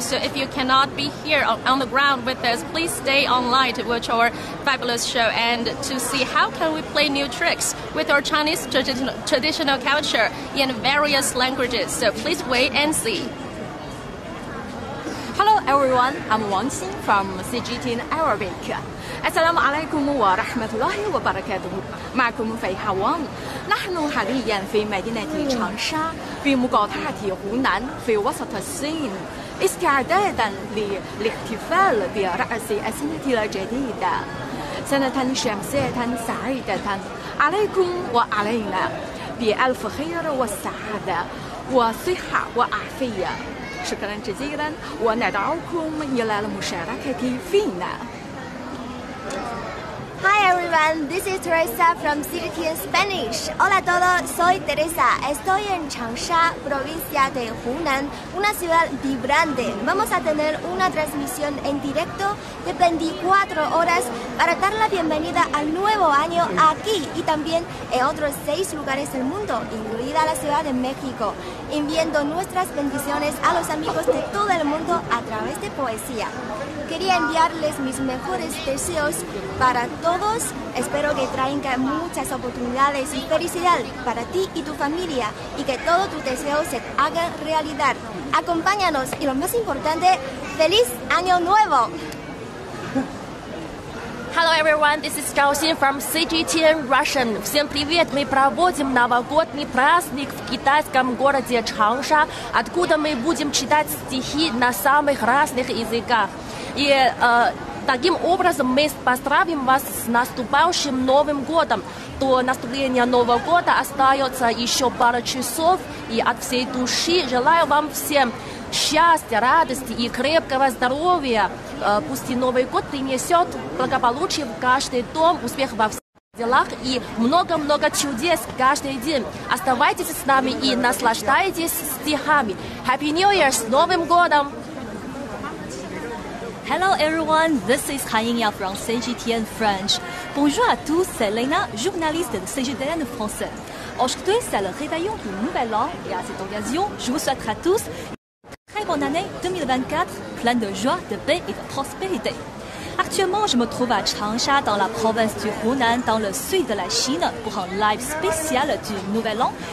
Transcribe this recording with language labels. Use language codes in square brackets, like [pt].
[en] So if you cannot be here on the ground with us, please stay online to watch our fabulous show and to see how can we play new tricks with our Chinese traditional culture in various languages. So please wait and see. Hello everyone, I'm Wang Xin from CGTN Arabic. [ar] السلام عليكم ورحمة الله وبركاته معكم فيحة وان نحن حاليا في مدينة تشانشا في مقاطعة هونان في وسط الصين استعدادا للاحتفال برأس السنة الجديدة سنة شمسية سعيدة عليكم وعلينا بألف خير وسعادة وصحة وعافية شكرا جزيلا وندعوكم إلى المشاركة فينا [en] Hi everyone, this is Teresa from CGTN Spanish. [es] Hola a todos, soy Teresa. Estoy en Changsha, provincia de Hunan, una ciudad vibrante. Vamos a tener una transmisión en directo de 24 horas para dar la bienvenida al nuevo año aquí y también en otros 6 lugares del mundo, incluida la Ciudad de México, enviando nuestras bendiciones a los amigos de todo el mundo a través de poesía. Quería enviarles mis mejores deseos para todos. Espero que traiga muchas oportunidades y felicidad para ti y tu familia y que todos tus deseos se hagan realidad. Acompáñanos y lo más importante, ¡Feliz Año Nuevo! [en] Hello everyone, this is Gao Xin from CGTN Russian. [ru] Всем привет! Мы проводим новогодний праздник в китайском городе Чангша, откуда мы будем читать стихи на самых разных языках. И таким образом мы поздравим вас с наступающим Новым годом. До наступления Нового года остается еще пару часов. И от всей души желаю вам всем счастья, радости и крепкого здоровья. Пусть и Новый год принесет благополучие в каждый дом, успех во всех делах и много-много чудес каждый день. Оставайтесь с нами и наслаждайтесь стихами. [en] Happy New Year! [ru] С Новым годом! [en] Hello everyone, this is Han Yingyao from CGTN French. [fr] Bonjour à tous, c'est Lena, journaliste de CGTN français. Aujourd'hui, c'est le réveillon du nouvel an et à cette occasion, je vous souhaite à tous une très bonne année 2024, pleine de joie, de paix et de prospérité. Actuellement, je me trouve à Changsha, dans la province du Hunan, dans le sud de la Chine, pour un live spécial du Nouvel An.